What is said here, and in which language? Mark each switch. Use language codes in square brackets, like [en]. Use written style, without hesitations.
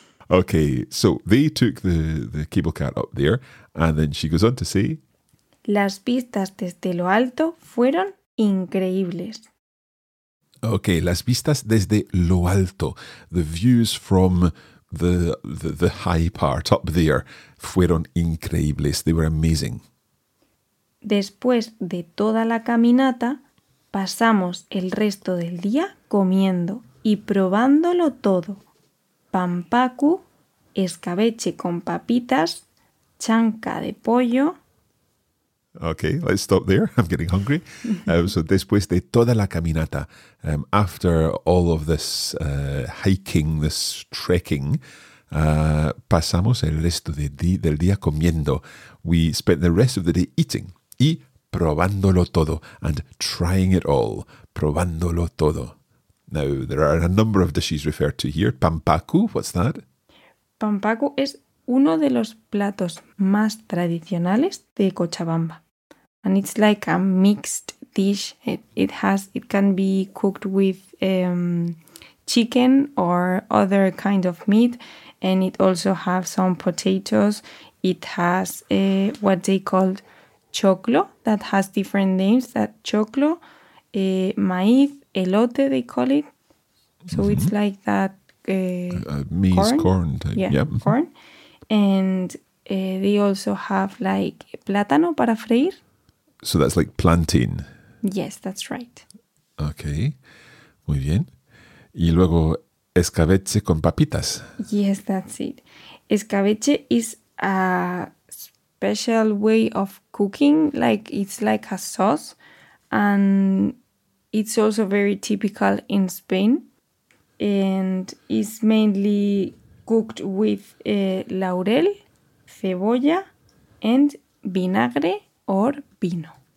[en] Okay, so they took the cable car up there, and then she goes on to say, [es] las vistas desde lo alto fueron increíbles. [en] Okay, [es] las vistas desde lo alto, [en] the views from the high part up there, [es] fueron increíbles, [en] they were amazing. [es] Después de toda la caminata, pasamos el resto del día comiendo y probándolo todo. Pampacu, escabeche con papitas, chanca de pollo. [en] Okay, let's stop there. I'm getting hungry. So [es] después de toda la caminata, [en] after all of this hiking, this trekking, [es] pasamos el resto del día comiendo. [en] We spent the rest of the day eating [es] y probándolo todo [en] and trying it all, [es] probándolo todo. [en] Now, there are a number of dishes referred to here. Pampacu, what's that? [es] Pampacu es uno de los platos más tradicionales de Cochabamba. [en] And it's like a mixed dish. It can be cooked with chicken or other kind of meat. And it also has some potatoes. It has what they called choclo, that has different names. That choclo, maíz, elote, they call it. So mm-hmm. It's like that maize corn type. Yeah, yep. Corn. And they also have like [es] plátano para freír. [en] So that's like plantain. Yes, that's right. [es] Okay, muy bien. Y luego escabeche con papitas. [en] Yes, that's it. Escabeche is a special way of cooking. Like it's like a sauce. And it's also very typical in Spain. And is mainly cooked with laurel, cebolla, and vinagre or vino.